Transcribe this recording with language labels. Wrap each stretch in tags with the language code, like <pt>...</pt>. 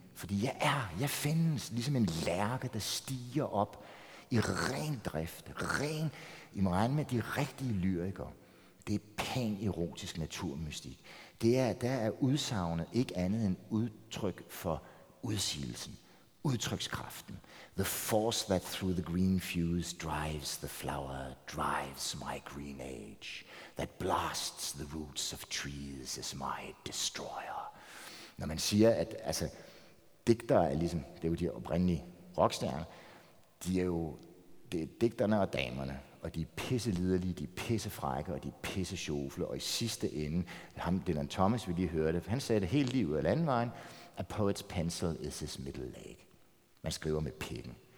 <da>Fordi jeg findes ligesom en lærke, der stiger op i ren drift, ren, i må regne med de rigtige lyrikere. Det er pan-erotisk naturmystik. Der er udsagnet ikke andet end udtryk for udsigelsen, udtrykskraften.</da> <en>The force that through the green fuse drives the flower, drives my green age. That blasts the roots of trees is my destroyer.</en> <da>Når man siger, at altså, digtere er ligesom, det er jo de oprindelige rockstjerner, de er jo, det er digterne og damerne, og de er pisse liderlige, de er pisse frække, og de er pisse sjofle, og i sidste ende, ham, Dylan Thomas, vi lige hørte, han sagde det hele livet af landvejen,</da> <en>a poet's pencil is his middle leg.</en> <da>Man skriver med pikken.</da>